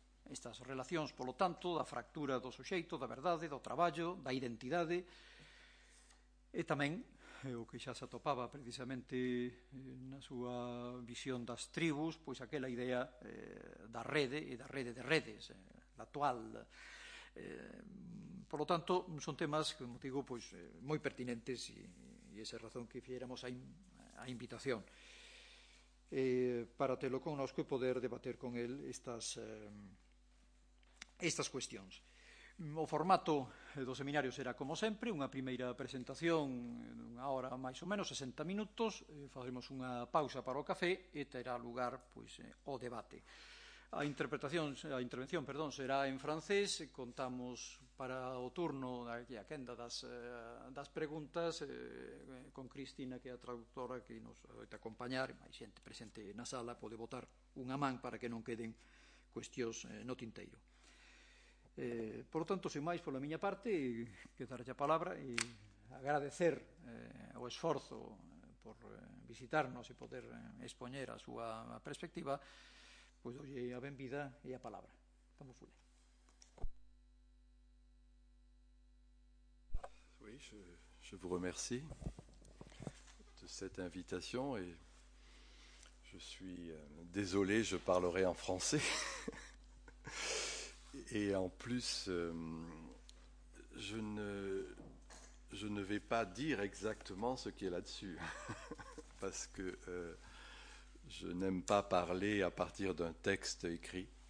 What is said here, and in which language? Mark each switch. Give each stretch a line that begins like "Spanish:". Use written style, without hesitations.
Galician: Estas relacións, polo tanto, da fractura do suxeito, da verdade, do traballo, da identidade, e tamén, o que xa se atopaba precisamente na súa visión das tribus, pois aquela idea da rede e da rede de redes, la actual.
Spanish: Por lo tanto,
Galician: son temas, como digo, pois, moi pertinentes e esa razón que fixéramos a invitación para telo connosco e poder debater con él estas cuestións. O formato do seminario será, como sempre, unha primeira presentación, unha hora máis ou menos, 60 minutos, faremos unha pausa para o café e terá lugar pois, o debate. A intervención será en francés, contamos para o turno da quenda das preguntas con Cristina, que é a traductora que nos vai acompañar, máis xente presente na sala, pode botar unha man para que non queden cuestións no tinteiro. Por tanto, sin máis, pola miña parte, quedarlle a palabra e agradecer o esforzo por visitarnos e poder expoñer a súa perspectiva, pois doulle a benvida e a palabra. Vamos, Fule.
French: Oui, je vous remercie de cette invitation et je suis désolé, je parlerai en français. Et en plus, je ne vais pas dire exactement ce qui est là-dessus, parce que je n'aime pas parler à partir d'un texte écrit.